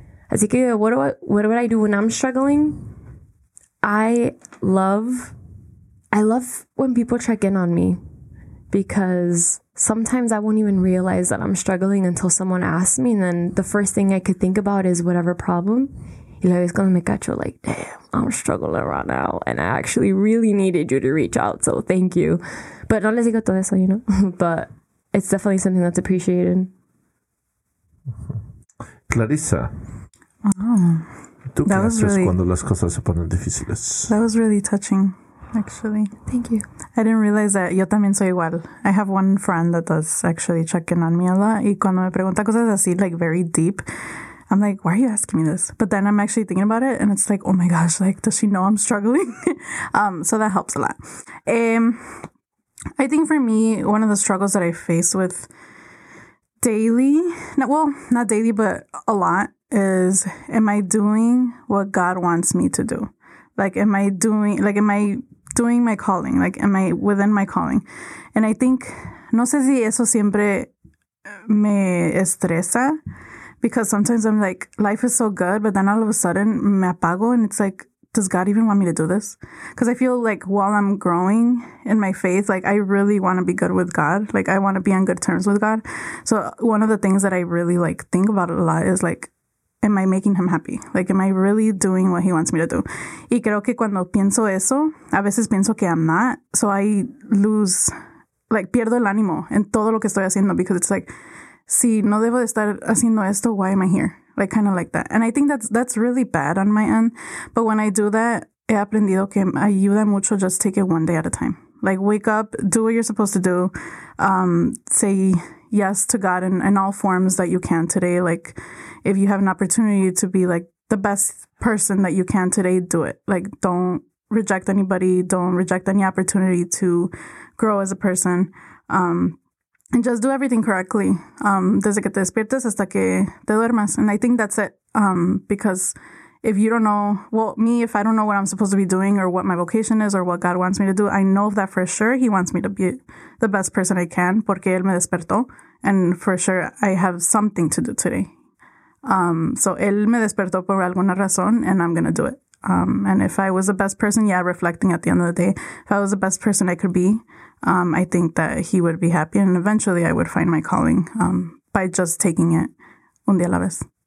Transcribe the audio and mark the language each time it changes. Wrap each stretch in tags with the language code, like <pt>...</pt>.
<es>Así que,</es> <en>what do I do when I'm struggling? I love when people check in on me, because sometimes I won't even realize that I'm struggling until someone asks me, and then the first thing I could think about is whatever problem.</en> <es>Y la vez cuando me cacho,</es> <en>like, damn, I'm struggling right now, and I actually really needed you to reach out, so thank you. But</en> <es>no les digo todo eso,</es> <en>you know? But it's definitely something that's appreciated. Clarissa. Oh.</en> <es>¿Tú qué haces cuando las cosas se ponen difíciles?</es> <en>That was really touching, actually. Thank you. I didn't realize that.</en> <es>Yo también soy igual.</es> <en>I have one friend that does actually check in on me a lot.</en> <es>Y cuando me pregunta cosas así,</es> <en>like, very deep, I'm like, why are you asking me this? But then I'm actually thinking about it, and it's like, oh my gosh, like, does she know I'm struggling? So that helps a lot. I think for me, one of the struggles that I face with not daily, but a lot, is am I doing what God wants me to do? Like, am I doing my calling? Like, am I within my calling? And I think,</en> <es>no sé si eso siempre me estresa,</es> <en>because sometimes I'm like, life is so good, but then all of a sudden,</en> <es>me apago,</es> <en>and it's like, does God even want me to do this? Because I feel like while I'm growing in my faith, like, I really want to be good with God. Like, I want to be on good terms with God. So one of the things that I really, like, think about a lot is, like, am I making him happy? Like, am I really doing what he wants me to do?</en> <es>Y creo que cuando pienso eso, a veces pienso que</es> <en>I'm not. So I lose</en> <es>like, pierdo el ánimo en todo lo que estoy haciendo,</es> <en>because it's like,</en> <es>si no debo de estar haciendo esto,</es> <en>why am I here? Like, kind of like that. And I think that's really bad on my end. But when I do that,</en> <es>he aprendido que ayuda mucho</es> <en>just take it one day at a time. Like, wake up, do what you're supposed to do. Say yes to God in all forms that you can today. Like, if you have an opportunity to be, like, the best person that you can today, do it. Like, don't reject anybody. Don't reject any opportunity to grow as a person. And just do everything correctly.</en> <es>Desde que te despiertes hasta que te duermas.</es> <en>And I think that's it. Because if you don't know, well, me, if I don't know what I'm supposed to be doing or what my vocation is or what God wants me to do, I know that for sure he wants me to be the best person I can.</en> <es>Porque él me despertó.</es> <en>And for sure, I have something to do today. So</en> <es>él me despertó por alguna razón</es> <en>and I'm going to do it. And if I was the best person, yeah, reflecting at the end of the day, if I was the best person I could be, I think that he would be happy and eventually I would find my calling by just taking it</en> <es>un día a la vez.</es>